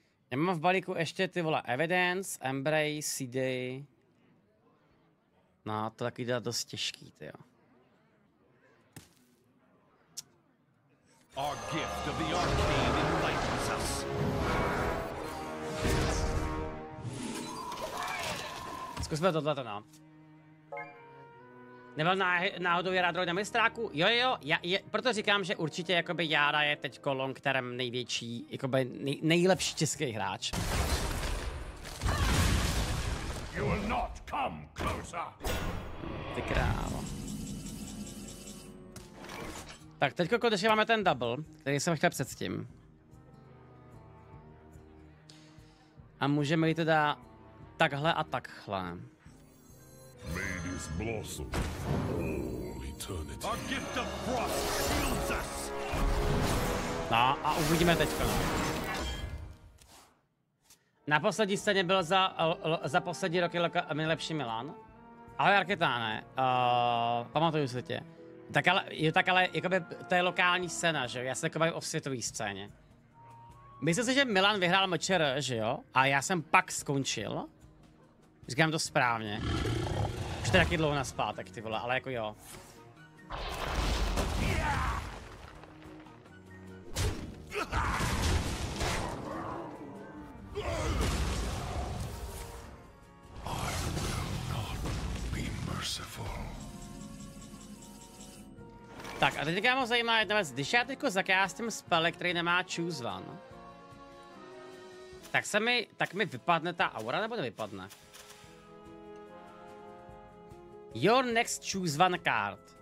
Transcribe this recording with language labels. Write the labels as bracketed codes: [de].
[cs] Já mám v balíku ještě ty vole Evidence, Embrace, CD. No, to taky dá dost těžký, ty jo. [en] Our gift of the arcane enlightens us. [cs] Zkusme tohleto, no. Nebyl náhodou Jara droid na mistráku? Jo, proto říkám, že určitě jakoby Jara je teďko long term největší, jakoby nejlepší český hráč. [en] You will not come closer. [cs] Ty krávo. Tak teďko konečně máme ten double, který jsem chtěl předtím. A můžeme jít teda takhle a takhle. [en] May this blossom all eternity. A gift of frost shields us. [cs] No a uvidíme teďka. Na poslední scéně byl za poslední roky nejlepší Milan. Ahoj Arketáne, pamatuju se tě. Tak ale jakoby to je lokální scéna, že jo? Já se jako bavím o světové scéně. Myslím si, že Milan vyhrál MČR, že jo? A já jsem pak skončil. Říkám to správně. Už to taky dlouho naspátek, ty vole, ale jako jo. Tak a teďka mě zajímá jedna věc, když já teďko zakástím spele, který nemá choose one, tak mi vypadne ta aura nebo nevypadne? [en] Your next choose one card.